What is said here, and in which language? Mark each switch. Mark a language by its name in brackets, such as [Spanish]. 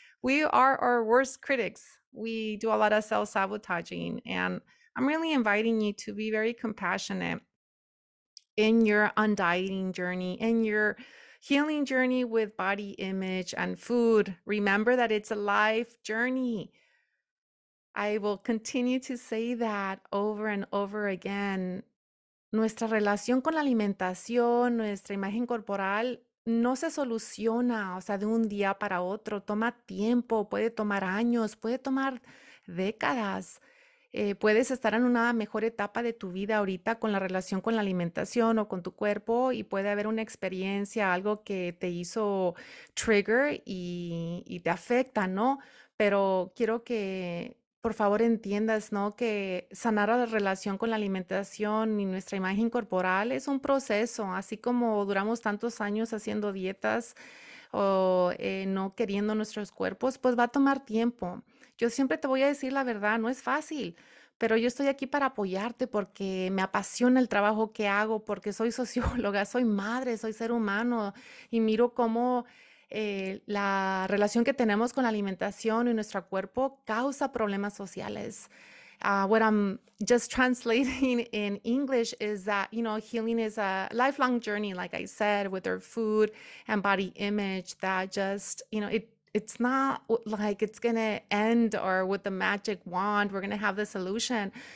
[English] We are our worst critics. We do a lot of self-sabotaging, and I'm really inviting you to be very compassionate in your undieting journey, in your healing journey with body image and food. Remember that it's a life journey. I will continue to say that over and over again. [Spanish] Nuestra relación con la alimentación, nuestra imagen corporal, no se soluciona, o sea, de un día para otro. Toma tiempo, puede tomar años, puede tomar décadas. Puedes estar en una mejor etapa de tu vida ahorita con la relación con la alimentación o con tu cuerpo, y puede haber una experiencia, algo que te hizo trigger y te afecta, ¿no? Pero quiero que por favor entiendas, ¿no?, que sanar a la relación con la alimentación y nuestra imagen corporal es un proceso, así como duramos tantos años haciendo dietas o no queriendo nuestros cuerpos, pues va a tomar tiempo. Yo siempre te voy a decir la verdad, no es fácil, pero yo estoy aquí para apoyarte porque me apasiona el trabajo que hago, porque soy socióloga, soy madre, soy ser humano, y miro cómo la relación que tenemos con la alimentación y nuestro cuerpo causa problemas sociales. [English] What I'm just translating in English is that, you know, healing is a lifelong journey, like I said, with our food and body image, that just, you know, it's not like it's going to end or with the magic wand, we're going to have the solution.